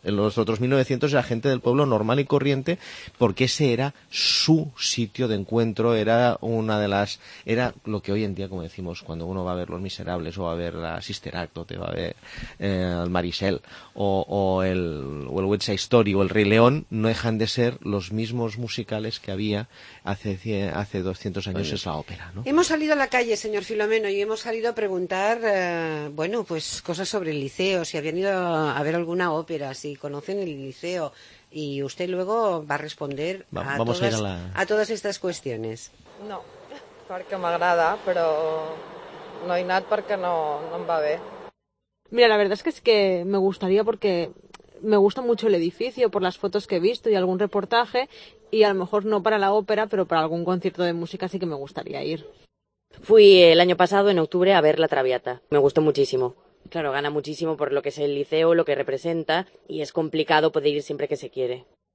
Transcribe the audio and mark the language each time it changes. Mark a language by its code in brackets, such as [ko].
[es] En los otros 1.900 era gente del pueblo normal y corriente, porque ese era su sitio de encuentro, era lo que hoy en día, como decimos, cuando uno va a ver Los Miserables o va a ver la Sister Act, o te va a ver el Marisel o el West Side Story o el Rey León, no dejan de ser los mismos musicales que había hace 200 años. Oye, es la ópera, ¿no? Hemos salido a la calle, señor Filomeno, y hemos salido a preguntar, bueno, pues cosas sobre el liceo, si habían ido a ver alguna ópera, si conocen el liceo, y usted luego va a responder a todas estas cuestiones. [ca] No, porque m'agrada, però no he anat perquè no em va bé. [es] Mira, la verdad es que me gustaría, porque me gusta mucho el edificio por las fotos que he visto y algún reportaje, y a lo mejor no para la ópera, pero para algún concierto de música sí que me gustaría ir. Fui el año pasado, en octubre, a ver La Traviata. Me gustó muchísimo. Claro, gana muchísimo por lo que es el liceo, lo que representa, y es complicado poder ir siempre que se quiere.